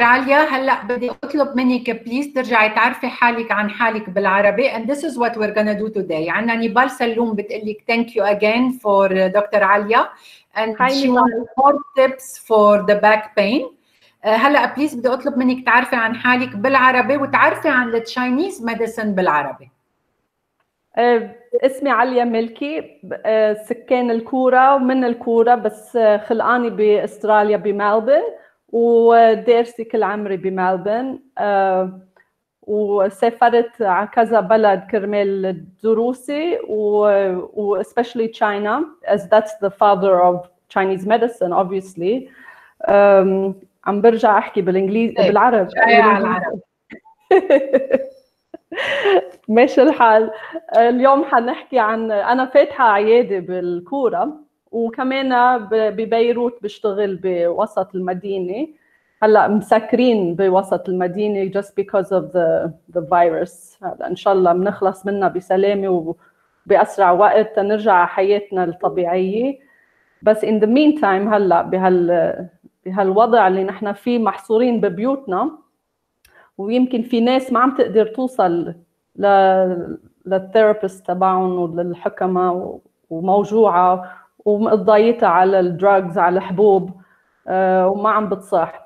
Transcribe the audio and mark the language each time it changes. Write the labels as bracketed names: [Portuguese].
[Arabic] Alia, هلأ بدي أطلب منك please ترجعي تعرفي حالك عن حالك بالعربي, [English] and this is what we're gonna do today. [Arabic] عنا نيبال سلوم بتقلك [English] thank you again for Dr. Alia, and she wants more tips for the back pain. [Arabic] هلأ please بدي أطلب منك تعرفي عن حالك بالعربي وتعرفي عن the Chinese medicine بالعربي. اسمي عليا ملكي, سكان الكورة ومن الكورة, بس خلقاني بأستراليا بمالبن ودارسي كل عمري بمالبن, وسافرت على كذا بلد كرمال دروسي, و especially China, [English] as that's the father of Chinese medicine, obviously. [Arabic] عم برجع أحكي بالإنجليزي بالعرب. ماشي الحال. اليوم حنحكي عن, أنا فاتحة عيادة بالكورة وكمان ببيروت بشتغل بوسط المدينة. هلا مسكرين بوسط المدينة [English] just because of the virus. [Arabic] إن شاء الله منخلص منها بسلامة وبأسرع وقت تنرجع حياتنا الطبيعية. بس [English] in the meantime [Arabic] هلا بهالوضع اللي نحن فيه محصورين ببيوتنا, ويمكن في ناس ما عم تقدر توصل للثيرابيست تبعهم وللحكمة وموجوعة ومضايقة على الدراجز على الحبوب وما عم بتصح.